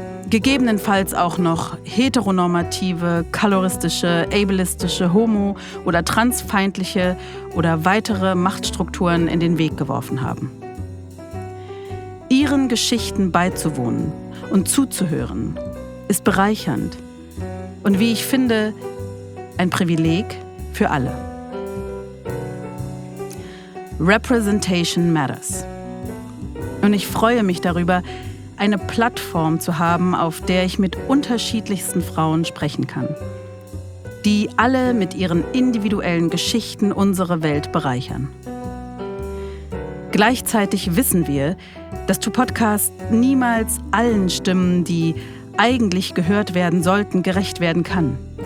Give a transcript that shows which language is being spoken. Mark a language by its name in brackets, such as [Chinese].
[German] gegebenenfalls auch noch heteronormative, koloristische, ableistische, homo- oder transfeindliche oder weitere Machtstrukturen in den Weg geworfen haben. Ihren Geschichten beizuwohnen und zuzuhören ist bereichernd und, wie ich finde, ein Privileg für alle. [English] Representation matters. [German] Und ich freue mich darüber, eine Plattform zu haben, auf der ich mit unterschiedlichsten Frauen sprechen kann, die alle mit ihren individuellen Geschichten unsere Welt bereichern. Gleichzeitig wissen wir, dass To Podcast niemals allen Stimmen, die eigentlich gehört werden sollten, gerecht werden kann.